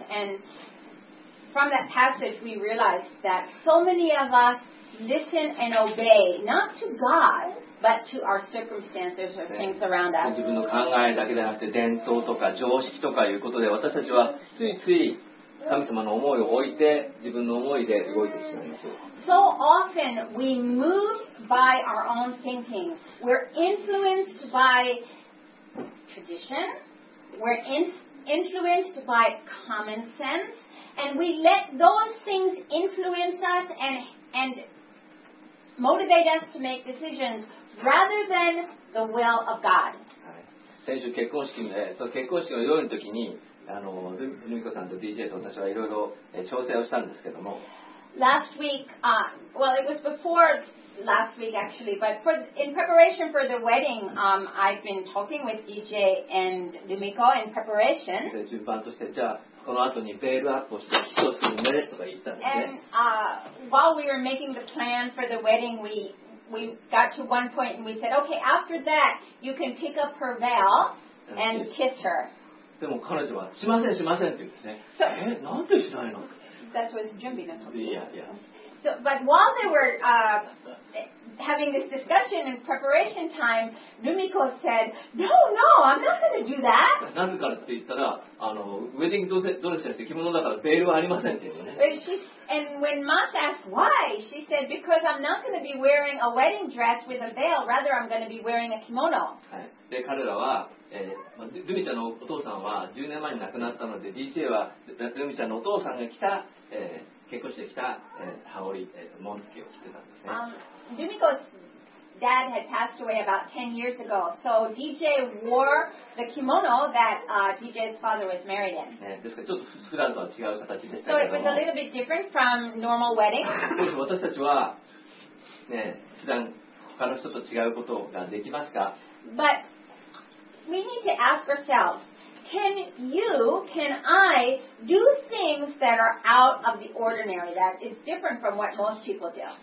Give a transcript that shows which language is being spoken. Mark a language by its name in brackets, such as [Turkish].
[English] And from that passage, we realize that so many of us listen and obey, not to God, but to our circumstances or things around us. [Japanese] 自分の考えだけでなくて、伝統とか常識とかいうことで、私たちはついつい神様の思いを置いて自分の思いで動いてしまいます。 [English] So often we move by our own thinking. We're influenced by tradition. We're influenced by common sense, and we let those things influence us and motivate us to make decisions rather than the will of God. [Japanese] 先週結婚式の夜の時に。ルミコさんと DJ と私はいろいろ調整をしたんですけども。 [English] Last week, well, it was before last week actually, but in preparation for the wedding, I've been talking with DJ and ルミコ in preparation. [Japanese] 順番として、じゃあこの後にベールアップをして、祈祷するねとか言ったんですね。 [English] And while we were making the plan for the wedding, we got to one point and we said, okay, after that, you can pick up her veil and kiss her. [Japanese] でも彼女はしませんしませんって言うんですね。 [English] So, [Japanese] なんでしないの？ [English] That was [Japanese] 準備の時。いやいや。 [English] So, but while they were having this discussion in preparation time, Rumiko said, "No, no, I'm not going to do that." [Japanese] なぜかって言ったら、ウェディングドレスって着物だからベールはありませんって言うんですね。 [English] And when Matt asked why, she said, "Because Because I'm not going to be wearing a wedding dress with a veil. Rather, I'm going to be wearing a kimono. [Japanese] で、彼らは、ルミちゃんのお父さんは10年前に亡くなったので、DJ はルミちゃんのお父さんが着た、結婚して着た、羽織、紋付けを着てたんですね。 [English] ルミコ's dad had passed away about 10 years ago, so DJ wore the kimono that DJ's father was married in. [Japanese] ですから、ちょっと普段とは違う形でしたけども。 [English] So it was a little bit different from normal weddings. [Japanese] 私たちは、ね、普段他の人と違うことができますか？ [English] But we need to ask ourselves, can I do things that are out of the ordinary, that is different from what most people do?